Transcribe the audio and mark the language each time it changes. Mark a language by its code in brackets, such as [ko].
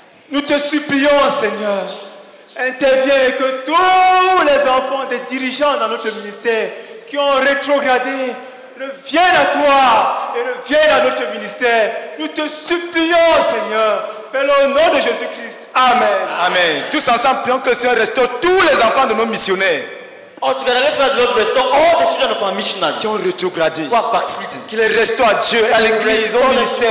[fr] Nous te supplions, Seigneur, interviens que tous les enfants des dirigeants dans notre ministère qui ont rétrogradé reviennent à toi et reviennent à notre ministère. Nous te supplions, Seigneur, fais-le au nom de Jésus-Christ. Amen. Amen. Tous ensemble, prions que le Seigneur restaure tous les enfants de nos missionnaires. [en] All together, let's pray the Lord restore all the children of our missionaries [fr] qui ont rétrogradé, [en] who are backslidden, [fr] qu'il les restaure à Dieu, à l'église, au ministère,